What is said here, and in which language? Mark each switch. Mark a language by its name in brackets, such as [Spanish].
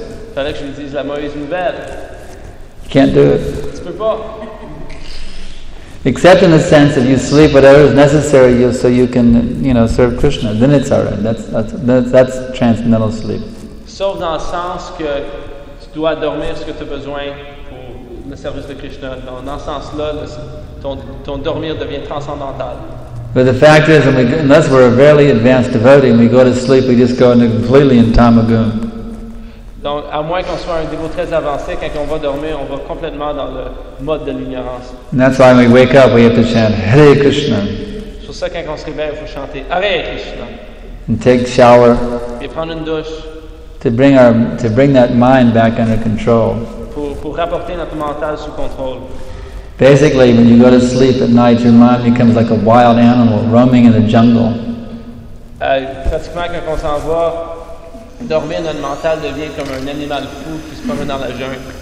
[French] Il fallait que je lui dise la mauvaise nouvelle. [English] You can't do it. [French] Tu peux pas. [English] Except in the sense that you sleep whatever is necessary so you can, you know, serve Krishna. Then it's all right. That's transcendental sleep. [French] Sauf dans le sens que tu dois dormir ce que tu as besoin pour le service de Krishna. Dans ce sens-là, ton dormir devient transcendantal. [English] But the fact is, unless we're a very advanced devotee and we go to sleep, we just go into completely in tamagun. [French] Donc, à moins qu'on soit un niveau très avancé, quand on va dormir, on va complètement dans le mode de l'ignorance. [English] And that's why when we wake up, we have to chant Hare Krishna. [French] Sur ça, quand on se réveille, il faut chanter Hare Krishna. [English] And take shower. [French] Et prendre une douche. [English] To bring that mind back under control. [French] Pour rapporter notre mental sous contrôle. [English] Basically, when you go to sleep at night, your mind becomes like a wild animal roaming in the jungle. [French] Pratiquement, quand on s'en va dormir, notre mental devient comme un animal fou qui se promène dans la jungle.